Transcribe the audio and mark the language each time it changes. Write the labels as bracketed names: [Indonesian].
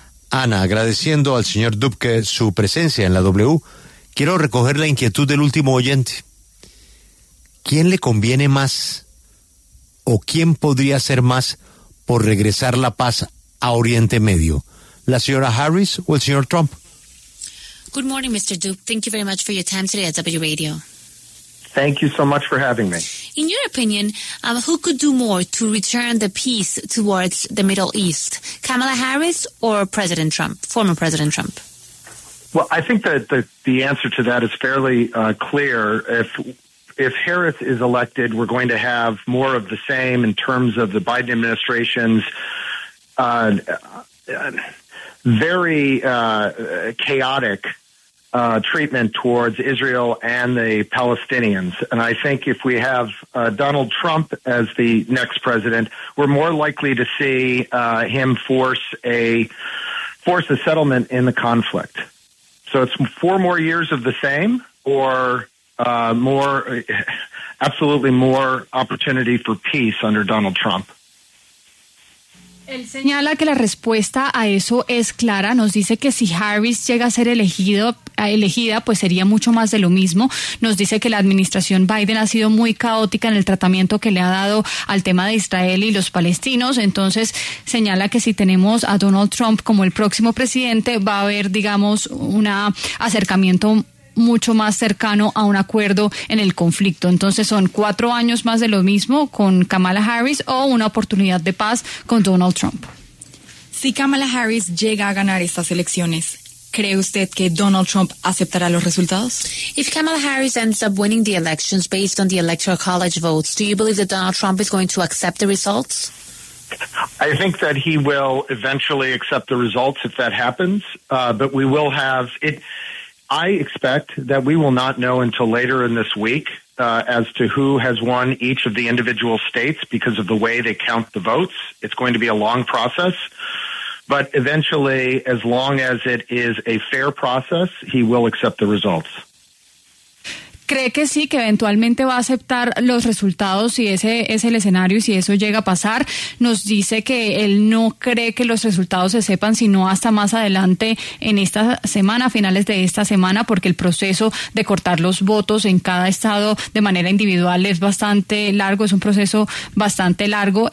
[Spanish] Ana, agradeciendo al señor Dubke su presencia en la W, quiero recoger la inquietud del último oyente. ¿Quién le conviene más o quién podría hacer más por regresar la paz a Oriente Medio? ¿La señora Harris o el señor Trump? [English] Good morning, Mr. Duke. Thank you very much for your time today at W Radio. Thank you so much for having me. In your opinion, who could do more to return the peace towards the Middle East, Kamala Harris or President Trump, former President Trump? Well, I think that the answer to that is fairly clear. If Harris is elected, we're going to have more of the same in terms of the Biden administration's very chaotic treatment towards Israel and the Palestinians. And I think if we have Donald Trump as the next president, we're more likely to see him force a settlement in the conflict. So it's 4 more years of the same or more opportunity for peace under Donald Trump. [Spanish] Él señala que la respuesta a eso es clara. Nos dice que si Harris llega a ser elegida, pues sería mucho más de lo mismo. Nos dice que la administración Biden ha sido muy caótica en el tratamiento que le ha dado al tema de Israel y los palestinos. Entonces, señala que si tenemos a Donald Trump como el próximo presidente, va a haber, digamos, un acercamiento mucho más cercano a un acuerdo en el conflicto. Entonces son 4 años más de lo mismo con Kamala Harris o una oportunidad de paz con Donald Trump. Si Kamala Harris llega a ganar estas elecciones, ¿cree usted que Donald Trump aceptará los resultados? [English] If Kamala Harris ends up winning the elections based on the Electoral College votes, do you believe that Donald Trump is going to accept the results? I think that he will eventually accept the results if that happens, but we will have it. I expect that we will not know until later in this week as to who has won each of the individual states because of the way they count the votes. It's going to be a long process. But eventually, as long as it is a fair process, he will accept the results. [Spanish] ¿Cree que sí, que eventualmente va a aceptar los resultados si ese es el escenario y si eso llega a pasar? Nos dice que él no cree que los resultados se sepan sino hasta más adelante en esta semana, a finales de esta semana, porque el proceso de cortar los votos en cada estado de manera individual es bastante largo, es un proceso bastante largo.